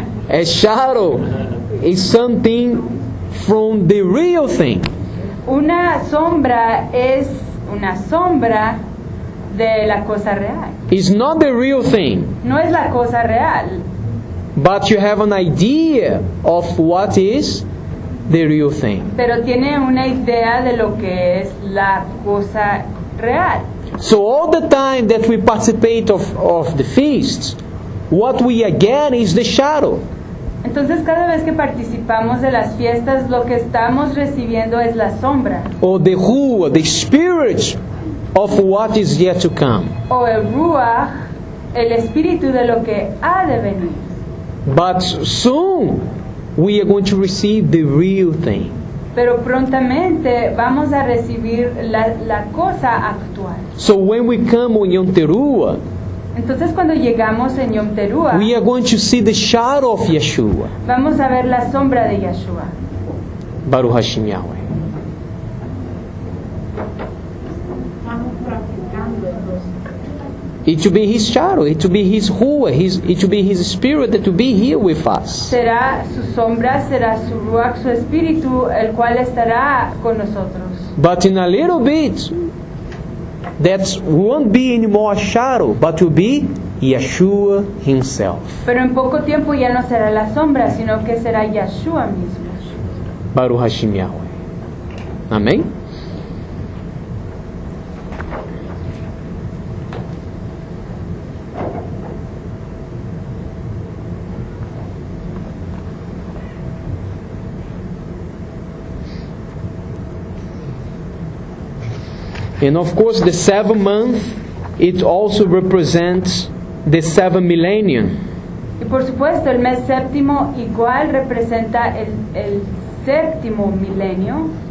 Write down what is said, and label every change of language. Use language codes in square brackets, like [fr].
[en] A shadow is something from the real thing. [es] Una sombra es una sombra de la cosa real. [en] It's not the real thing. [es] No es la cosa real. [en] But you have an idea of what is the real thing. [es] Pero tiene una idea de lo que es la cosa real. [en] So all the time that we participate of the feasts, what we again is the shadow. [es] Entonces cada vez que participamos de las fiestas, lo que estamos recibiendo es la sombra. [en] Or the ruah, the spirit of what is yet to come. [es] O el ruah, el espíritu de lo que ha de venir. [en] But soon we are going to receive the real thing. [es] Pero prontamente vamos a recibir la cosa actual. [en] So when we come on Yom Teruah, [es] entonces cuando llegamos en Yom Teruah, [en] we are going to see the shadow of Yeshua. [es] Vamos a ver la sombra de Yeshua. [he] Baruch Hashem Yahweh. [en] It will be his shadow, it will be his ruah, it will be his spirit that will be here with us. [es] Será su sombra, será su ruach, su espíritu, el cual estará con nosotros. [en] But in a little bit, that won't be anymore a shadow, but will be Yeshua himself. [es] Pero en poco tiempo ya no será la sombra, sino que será Yeshua mismo. [he] Baruch Hashem Yahweh. Amén. [en] And of course, the 7 months, it also represents the 7 millennium. [es] Y por supuesto, el mes séptimo igual representa el séptimo milenio.